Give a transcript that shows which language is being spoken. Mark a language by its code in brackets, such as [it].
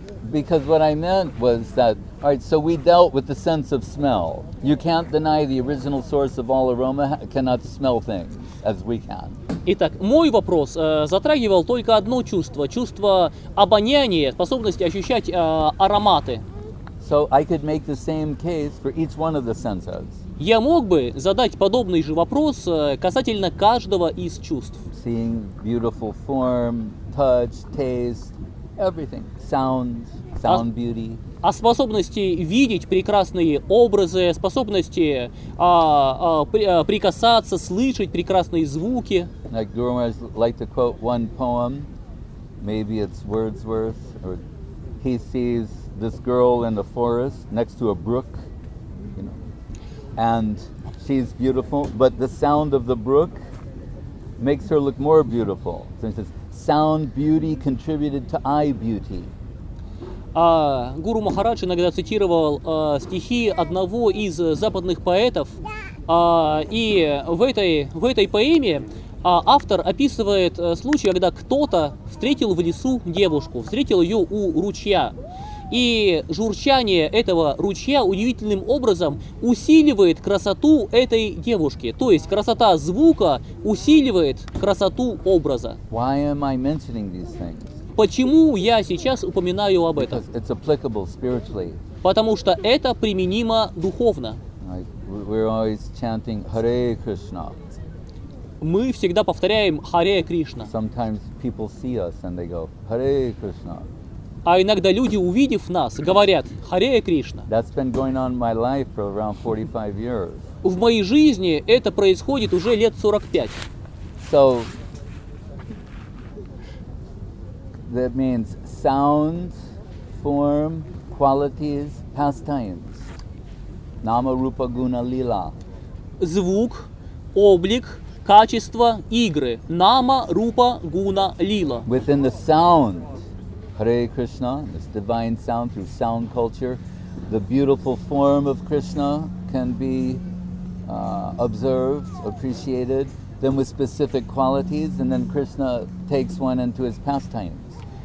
[en] because what I meant was that, all right, so we dealt with the sense of smell. You can't deny the original source of all aroma cannot smell things as we can. [ru] Итак, мой вопрос затрагивал только одно чувство, чувство обоняния, способности ощущать ароматы. [en] So I could make the same case for each one of the senses. [ru] Я мог бы задать подобный же вопрос касательно каждого из чувств. [en] Seeing beautiful form, touch, taste, everything. Sound beauty. [ru] О способности видеть прекрасные образы, способности прикасаться, слышать прекрасные звуки. [en] Like Guru Maharaj liked to quote one poem, maybe it's Wordsworth, or he sees this girl in the forest next to a brook, you know, and she's beautiful, but the sound of the brook makes her look more beautiful. So he says, sound beauty contributed to eye beauty. [ru] Гуру Махарадж иногда цитировал стихи одного из западных поэтов, и в этой поэме автор описывает случай, когда кто-то встретил в лесу девушку, встретил ее у ручья, и журчание этого ручья удивительным образом усиливает красоту этой девушки, то есть красота звука усиливает красоту образа. [en] Why am I mentioning these things? [ru] Почему я сейчас упоминаю об этом? [en] Because it's applicable spiritually. [ru] Потому что это применимо духовно. [en] We're always chanting Hare Krishna. [ru] Мы всегда повторяем Харе Кришна. [en] Sometimes people see us and they go Hare Krishna. [ru] А иногда люди, увидев нас, говорят Харе Кришна. [en] That's been going on in my life for around 45 years. [ru] В моей жизни это происходит уже лет 45. [en] So that means sound, form, qualities, pastimes. [sa] Nama, rupa, guna, lila. [ru] Звук, облик, качество, игры. [sa] Nama, rupa, guna, lila. [en] Within the sound, Hare Krishna, this divine sound through sound culture, the beautiful form of Krishna can be observed, appreciated, then with specific qualities, and then Krishna takes one into his pastimes.